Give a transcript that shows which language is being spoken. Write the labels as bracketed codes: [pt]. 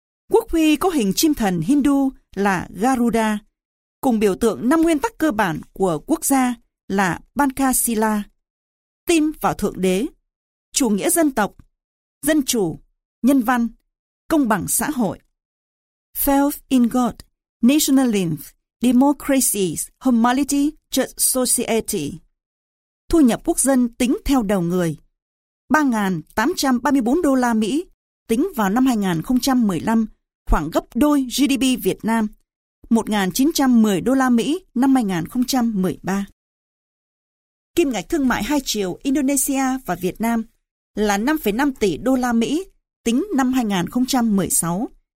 [vi] Quốc huy có hình chim thần Hindu là Garuda, cùng biểu tượng năm nguyên tắc cơ bản của quốc gia là Pancasila. Tin vào Thượng Đế, chủ nghĩa dân tộc, dân chủ, nhân văn, công bằng xã hội. [en] Faith in God, nationalism, democracy, humanity, just society. [vi] Thu nhập quốc dân tính theo đầu người. 3.834 đô la Mỹ tính vào năm 2015, khoảng gấp đôi GDP Việt Nam. 1.910 đô la Mỹ năm 2013. Kim ngạch thương mại hai chiều Indonesia và Việt Nam là 5,5 tỷ đô la Mỹ tính năm 2016.